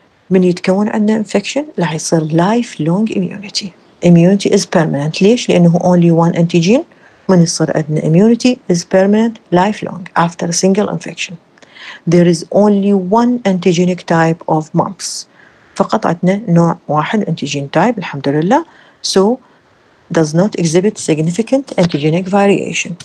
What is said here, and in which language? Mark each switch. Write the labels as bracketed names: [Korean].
[Arabic] من يتكون عندنا infection, لح يصير [English] lifelong immunity. Immunity is permanent. [Arabic] ليش؟ لأنه [English] only one antigen. [Arabic] من يصير عندنا [English] immunity is permanent, lifelong, after a single infection. There is only one antigenic type of mumps. [Arabic] فقط عندنا نوع واحد [English] antigen type, [Arabic] الحمد لله. [English] So, does not exhibit significant antigenic variation.